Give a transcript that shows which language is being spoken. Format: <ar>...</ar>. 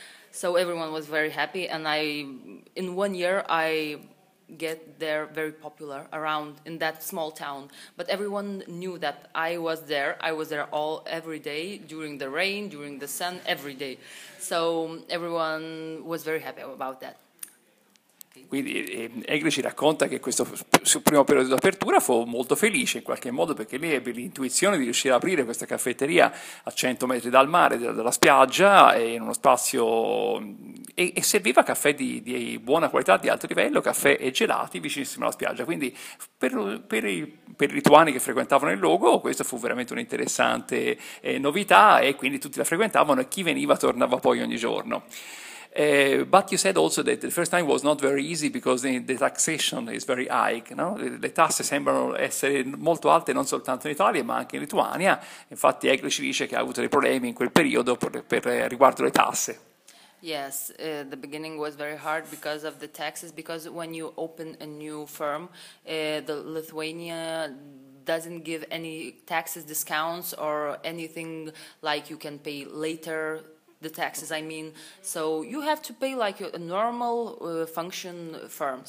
<en>So everyone was very happy, and in one year I get there very popular around in that small town. But everyone knew that I was there. I was there all every day, during the rain, during the sun, every day. So everyone was very happy about that.</en> <it>Quindi Egle ci racconta che questo suo primo periodo di apertura fu molto felice in qualche modo, perché lei ebbe l'intuizione di riuscire ad aprire questa caffetteria a 100 metri dal mare, dalla spiaggia, e in uno spazio, e serviva caffè di buona qualità, di alto livello, caffè e gelati vicinissimo alla spiaggia. Quindi per i lituani che frequentavano il luogo, questo fu veramente un'interessante novità, e quindi tutti la frequentavano, e chi veniva tornava poi ogni giorno.</it> <en>But you said also that the first time was not very easy because the taxation is very high, no?</en> <it>Le tasse sembrano essere molto alte non soltanto in Italia ma anche in Lituania. Infatti Egle ci dice che ha avuto dei problemi in quel periodo per riguardo le tasse.</it> <en>Yes, the beginning was very hard because of the taxes, because when you open a new firm, the Lithuania doesn't give any taxes discounts or anything, like you can pay later the taxes, I mean. So you have to pay like a normal function firm.</en>